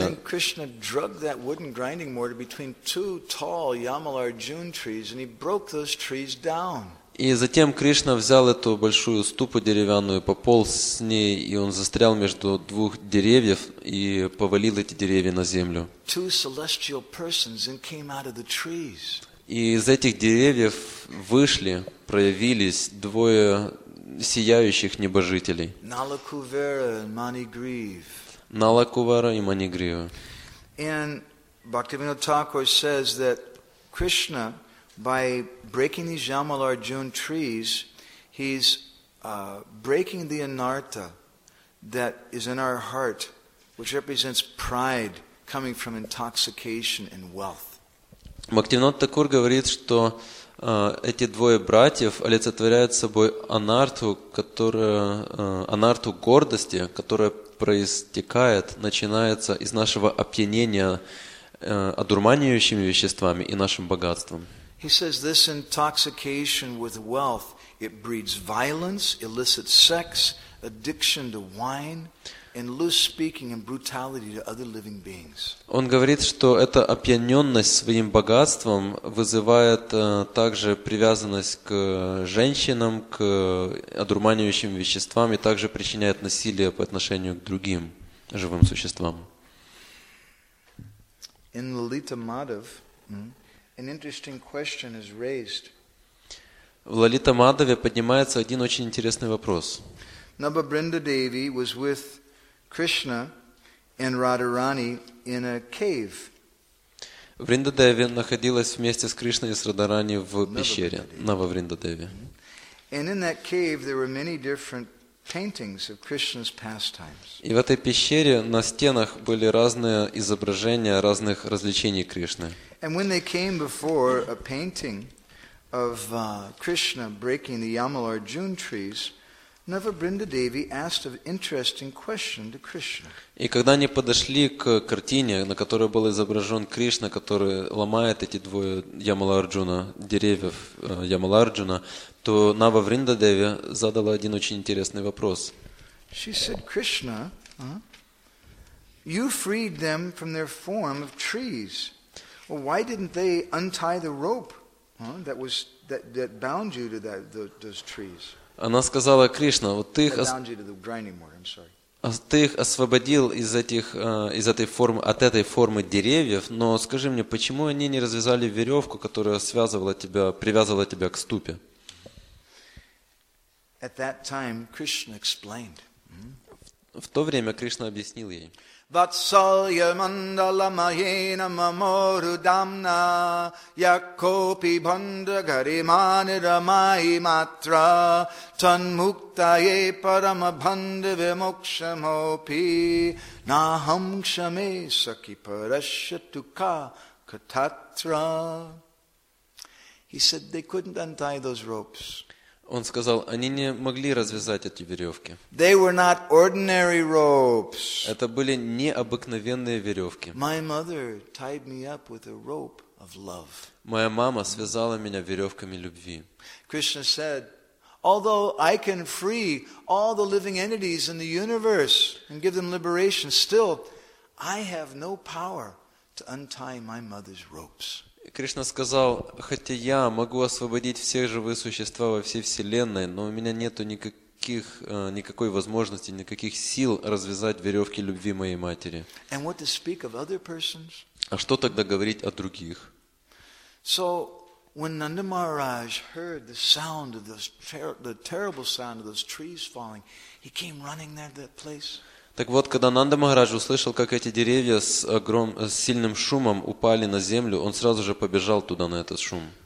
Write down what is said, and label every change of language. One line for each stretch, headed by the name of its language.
English: And then Krishna drug that wooden grinding mortar between two tall Yamalarjuna trees, and he broke those trees down.
Russian: И затем Кришна взял эту большую ступу деревянную, пополз с ней, и он застрял между двух деревьев и повалил эти деревья на землю.
English: Two celestial persons and came out of the trees.
Russian: И из этих деревьев вышли, проявились двое сияющих небожителей.
English: Nalakuvara and Manigriv.
Russian: Nalakuvara и Manigriva.
English: And Bhaktivinoda Thakur says that Krishna, by breaking these Yamalarjuna trees, he's breaking the anartha that is in our heart, which represents pride coming from intoxication and wealth.
Russian: Bhaktivinoda Thakur говорит, что эти двое братьев олицетворяют собой анартху, которая анартху гордости, которая проистекает, начинается из нашего опьянения одурманивающими веществами и нашим богатством.
English: He says this intoxication with wealth, it breeds violence, illicit sex, addiction to wine, and loose speaking and brutality to other living beings.
Russian: Он говорит, что эта опьяненность своим богатством вызывает также привязанность к женщинам, к одурманивающим веществам и также причиняет насилие по отношению к другим живым существам.
English: In Lalita Madhav, an interesting question is raised.
Russian: В Лалита Мадхаве поднимается один очень интересный вопрос.
English: Nababrinda Devi was with Krishna and Radharani in a cave.
Russian: Vrinda Devi находилась вместе с Кришной и с Радхарани в пещере.
English: Nababrinda Devi. And in that cave there were many different paintings of Krishna's pastimes.
Russian: И в этой пещере на стенах были разные изображения разных развлечений Кришны.
English: And when they came before a painting of Krishna breaking the Yamalarjuna trees, Navabrinda Devi asked an interesting question to Krishna.
Russian: И когда они подошли к картине, на которой был изображен Кришна, который ломает эти двое Ямаларджуна деревьев Ямаларджуна, то Navabrinda Devi задала один очень интересный вопрос.
English: She said, Krishna, you freed them from their form of trees. Well, why didn't they untie the rope that bound you to those trees?
Russian: Она сказала: Кришна, вот ты их освободил из этих от этой формы деревьев, но скажи мне, почему они не развязали веревку, которая связывала тебя, привязывала тебя к ступе?
English: At that time, Krishna explained.
Russian: В то время Кришна объяснил ей.
Sanskrit: Vatsalya mandala mahena mamoru damna yakopi bandhagari maniramai matra tanmuktaye paramabhandhavi mokshamopi nahamshame sakiparashatuka katatra.
English: He said they couldn't untie those ropes.
Russian: Он сказал, они не могли развязать эти веревки.
English: They were not ordinary ropes.
Russian: Это были необыкновенные веревки.
English: My mother tied me up with a rope of love.
Russian: Моя мама связала меня веревками любви.
English: Krishna said, although I can free all the living entities in the universe and give them liberation, still I have no power to untie my mother's ropes.
Russian: Кришна сказал, хотя я могу освободить все живые существа во всей Вселенной, но у меня нет никакой возможности, никаких сил развязать веревки любви моей матери.
English: And what to speak of other persons?
Russian: А что тогда говорить о других?
English: So, when Nanda Maharaj heard the sound of those the terrible sound of those trees falling, he came running there to that place.
Russian: Так вот, когда Нанда Махарадж услышал, как эти деревья с сильным шумом упали на землю, он сразу же побежал туда, на этот шум.